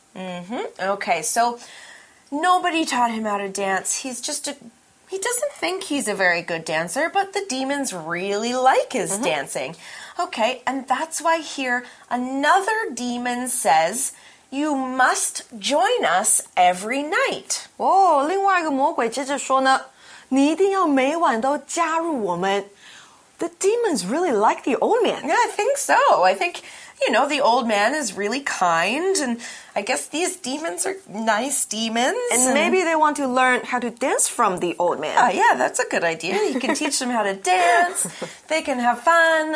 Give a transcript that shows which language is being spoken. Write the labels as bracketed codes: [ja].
[en] Okay, so nobody taught him how to dance. He doesn't think he's a very good dancer, but the demons really like his dancing. Okay, and that's why here another demon says, you must join us every night. [zh] 另外一个魔鬼接着说呢，你一定要每晚都加入我们。 [en] The demons really like the old man. Yeah, I think so. I think, you know, the old man is really kind, and I guess these demons are nice demons. And maybe they want to learn how to dance from the old man. Yeah, that's a good idea. You can teach them how to dance. They can have fun.